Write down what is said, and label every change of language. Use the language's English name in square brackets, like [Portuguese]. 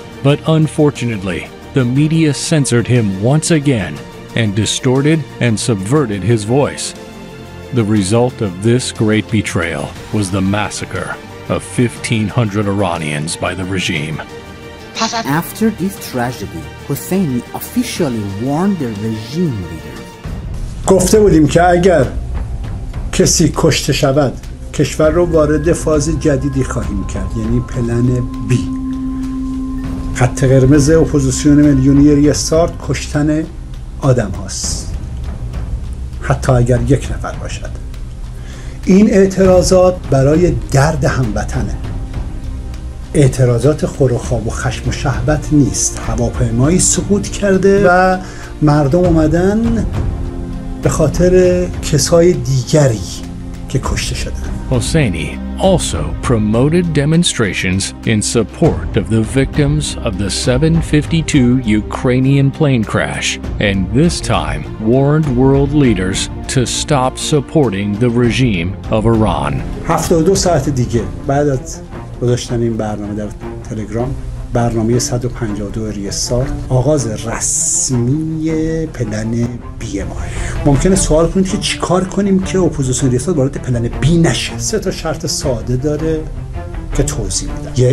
[English] But unfortunately, the media censored him once again and distorted and subverted his voice. The result of this great betrayal was the massacre of 1,500 Iranians by the regime. After this tragedy, Hosseini officially warned the regime leaders. [Persian] گفته بودیم که اگر کسی کشته شود، کشور رو وارد فاز جدیدی خواهیم کرد، یعنی پلن B. خط قرمز اپوزیسیون ملیونی ریستارت کشتن آدم هاست. حتی اگر یک نفر باشد. این اعتراضات برای درد هموطنه. اعتراضات خور و خواب و خشم و شهوت نیست. هواپیمایی سقوط کرده و مردم اومدن به خاطر کسای دیگری که کشته شدن. [English] Hosseini also promoted demonstrations in support of the victims of the 752 Ukrainian plane crash, and this time warned world leaders to stop supporting the regime of Iran. [Persian] 72 ساعت دیگه بعد از گذاشتن این برنامه در تلگرام، برنامه 152 ریستارت آغاز رسمی پلن بی ما. ممکنه سوال کنید که چیکار کنیم که اپوزیسیون ریستارت وارد پلن بی نشه. سه تا شرط ساده داره که توضیح میدم.